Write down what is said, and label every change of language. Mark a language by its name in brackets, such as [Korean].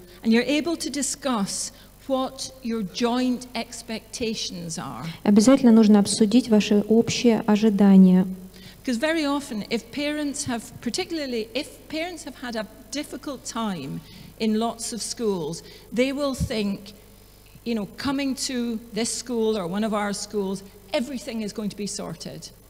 [English] And you're able to discuss what your joint expectations are. [Russian] Обязательно нужно обсудить ваши общие ожидания. [English] Because very often, if parents have, particularly if parents have had a difficult time in lots of schools, they will think, you know, coming to this school or one of our schools, everything is going to be sorted.